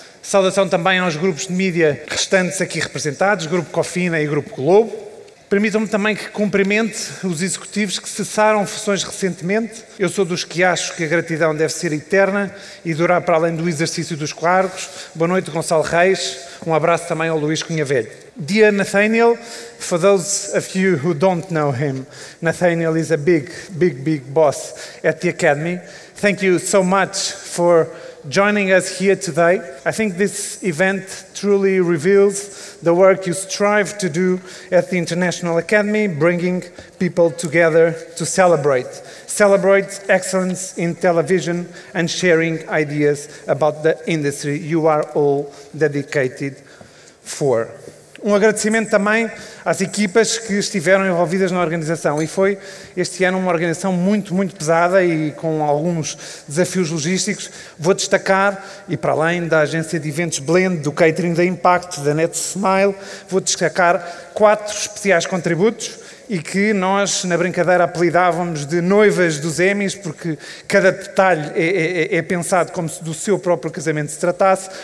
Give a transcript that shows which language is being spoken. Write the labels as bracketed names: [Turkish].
[Portuguese] Saudação também aos grupos de mídia restantes aqui representados, Grupo Cofina e Grupo Globo. Permitam-me também que cumprimente os executivos que cessaram funções recentemente. Eu sou dos que acho que a gratidão deve ser eterna e durar para além do exercício dos cargos. Boa noite, Gonçalo Reis. Um abraço também ao Luís Cunha Velho. [English] Dear Nathaniel, for those of you who don't know him, Nathaniel is a big, big, big boss at the Academy. Thank you so much for joining us here today. I think this event truly reveals the work you strive to do at the International Academy, bringing people together to celebrate. Celebrate excellence in television and sharing ideas about the industry you are all dedicated for. [Portuguese] Um agradecimento também às equipas que estiveram envolvidas na organização. E foi este ano uma organização muito, muito pesada e com alguns desafios logísticos. Vou destacar, e para além da agência de eventos Blend, do catering da Impact, da NetSmile, vou destacar 4 especiais contributos e que nós, na brincadeira, apelidávamos de noivas dos Emmys, porque cada detalhe é pensado como se do seu próprio casamento se tratasse.